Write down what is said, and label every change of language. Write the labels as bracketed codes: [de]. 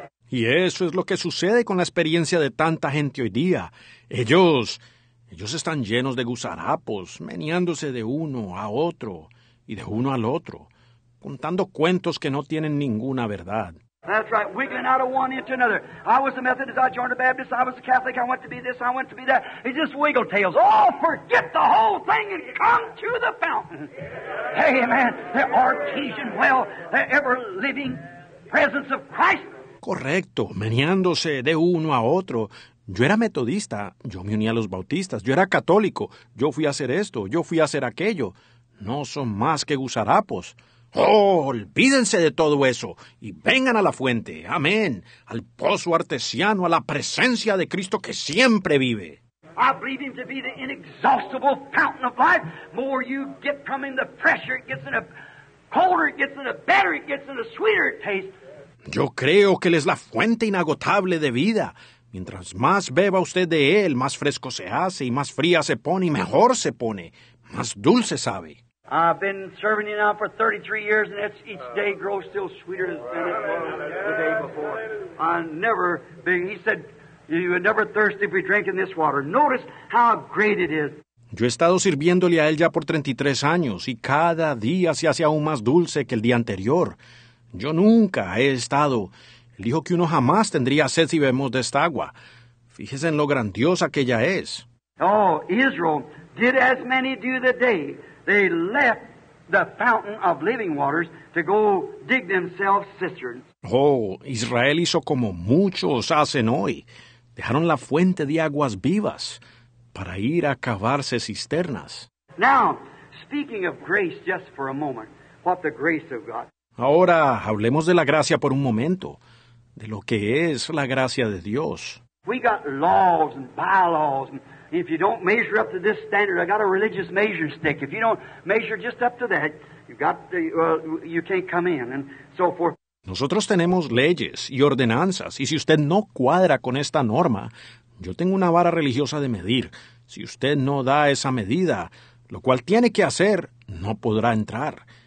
[es] Y eso es lo que sucede con la experiencia de tanta gente hoy día. Ellos están llenos de gusarapos, meneándose de uno a otro y de uno al otro, contando cuentos que no tienen ninguna verdad. [en] That's right, wiggling out of one into another. I was a Methodist, I joined a Baptist, I was a Catholic, I went to be this, I went to be that. It's just wiggle tails. Oh, forget the whole thing and come to the fountain. Hey, amen, the artesian well, the ever-living presence of Christ. [es] Correcto, meneándose de uno a otro. Yo era metodista, yo me uní a los bautistas. Yo era católico, yo fui a hacer esto, yo fui a hacer aquello. No son más que gusarapos. ¡Oh, olvídense de todo eso y vengan a la fuente! ¡Amén! Al pozo artesiano, a la presencia de Cristo que siempre vive. [en] I believe him to be the inexhaustible fountain of life. More you get from him, the fresher it gets, and the colder it gets, and the better it gets, and the sweeter it tastes. [es] Yo creo que él es la fuente inagotable de vida. Mientras más beba usted de él, más fresco se hace y más fría se pone y mejor se pone. Más dulce sabe. [en] I've been serving you now for 33 years, and each day grows still sweeter than it was the day before. He said, you would never thirst if you drank in this water. Notice how great it is. [es] Yo he estado sirviéndole a él ya por 33 años, y cada día se hace aún más dulce que el día anterior. Yo nunca he estado. Él dijo que uno jamás tendría sed si bebemos de esta agua. Fíjese en lo grandiosa que ella es. [en] Oh, Israel did as many do the day. They left the fountain of living waters to go dig themselves cisterns. [es] Oh, Israel hizo como muchos hacen hoy. Dejaron la fuente de aguas vivas para ir a cavarse cisternas. [en] Now, speaking of grace just for a moment, what the grace of God. [es] Ahora, hablemos de la gracia por un momento, de lo que es la gracia de Dios. [en] We got laws and bylaws and if you don't measure up to this standard, I got a religious measuring stick. If you don't measure just up to that, you've got the, you can't come in, and so forth. [es] Nosotros tenemos leyes y ordenanzas, y si usted no cuadra con esta norma, yo tengo una vara religiosa de medir. Si usted no da esa medida, lo cual tiene que hacer, no podrá entrar.